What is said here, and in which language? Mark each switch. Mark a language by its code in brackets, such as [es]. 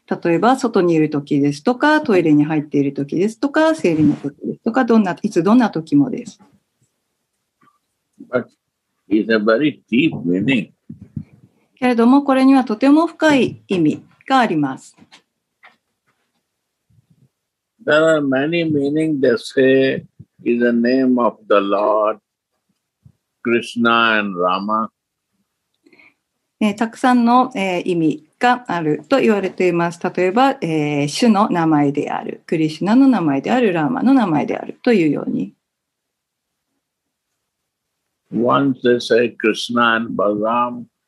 [ja] 例えば外にいるときですとか、トイレに入っているときですとか、生理のときですとか、どんないつどんなときもです。 [en] But it's a very deep meaning. [ja] けれどもこれにはとても深い意味。があります。 [en] There are many meaning they say is the name of the Lord Krishna and Rama. [ja] たくさんの、意味があると言われています。例えば、主の名前である、クリシュナの名前である、ラーマの名前であるというように。 [en] Once they say Krishna and Balaram.